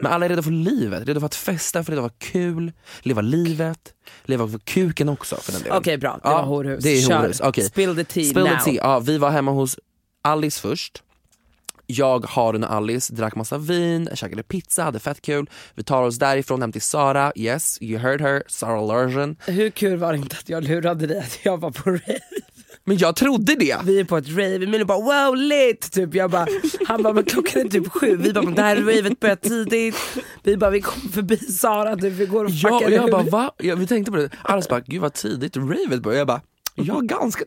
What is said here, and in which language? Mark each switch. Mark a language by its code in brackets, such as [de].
[sv] Men alla är redo för livet. Redo för att festa, för det var kul. Leva livet. Leva för kuken också, för den delen. Okej, okay, bra. Det ja, var horhus. Det är horhus. Okay. [en] Spill the tea. Spill now. The tea. [sv] Ja, vi var hemma hos Alice först. Jag, Harun och Alice drack massa vin, käkade pizza, hade fett kul. Vi tar oss därifrån hem till Sara. [en] Yes, you heard her, Sara Lurgen. [sv] Hur kul var det inte att jag lurade dig att jag var på rave? Men jag trodde det. Vi är på ett rave, men jag bara, wow, lit typ. Jag bara, han bara, men klockan är typ 7. Vi bara, men det här ravet börjar tidigt. Vi bara, vi kom förbi Sara typ. Vi går och fuckar. Ja, jag bara, va? Ja, vi tänkte på det. Alice bara, gud vad tidigt ravet börjar. Jag bara, ja, ganska.